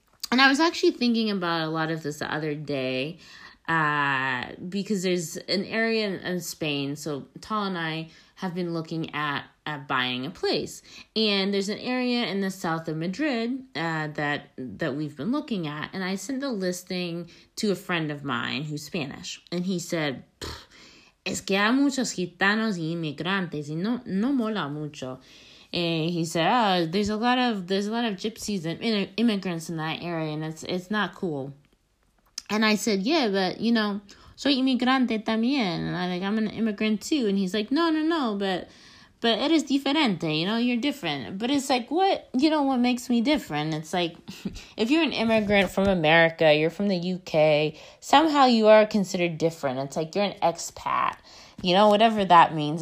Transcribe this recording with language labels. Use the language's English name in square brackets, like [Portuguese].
[English] And I was actually thinking about a lot of this the other day because there's an area in Spain. So Tal and I have been looking at buying a place. And there's an area in the south of Madrid that we've been looking at. And I sent the listing to a friend of mine who's Spanish. [Spanish] And he said, es que hay muchos gitanos y inmigrantes y no mola mucho. [English] And he said, there's a lot of gypsies and immigrants in that area, and it's not cool. And I said, yeah, but, you know, [Spanish] soy inmigrante también. [English] And I'm like, I'm an immigrant too. And he's like, no, but it is diferente, you know, you're different. But it's like, what makes me different? It's like, if you're an immigrant from America, you're from the UK, somehow you are considered different. It's like, you're an expat, you know, whatever that means.